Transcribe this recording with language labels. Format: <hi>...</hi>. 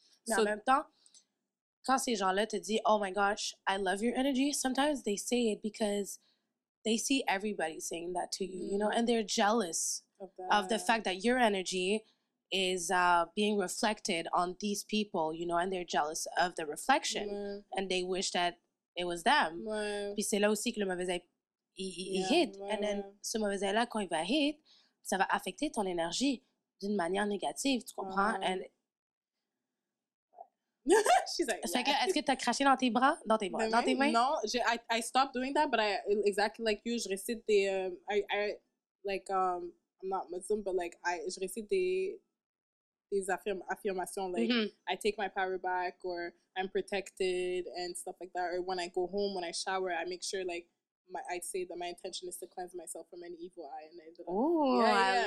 <fr>Mais en même temps, quand ces gens-là te disent,</fr> <en>oh my gosh, I love your energy, sometimes they say it because they see everybody saying that to you, you know, and they're jealous of the fact that your energy is being reflected on these people, you know, and they're jealous of the reflection, and they wish that it was them.</en> <fr>Puis c'est là aussi que le mauvais œil, il hit.</fr> <en>And then</en> <fr>ce mauvais œil-là, quand il va hit, ça va affecter ton énergie d'une manière négative, tu comprends? And</fr> <en>she's like, yeah.</en> <fr>Est-ce que t'as craché dans tes bras? Dans tes bras? Dans tes mains?</fr> <en>Non, I stopped doing that, but I, exactly like you,</en> <fr>je récite des,</fr> <en>I'm not Muslim, but like,</en> <fr>je récite des affirmations,</fr> <en>like, I take my power back, or I'm protected, and stuff like that, or when I go home, when I shower, I make sure, like, I say that my intention is to cleanse myself from any evil eye.</en>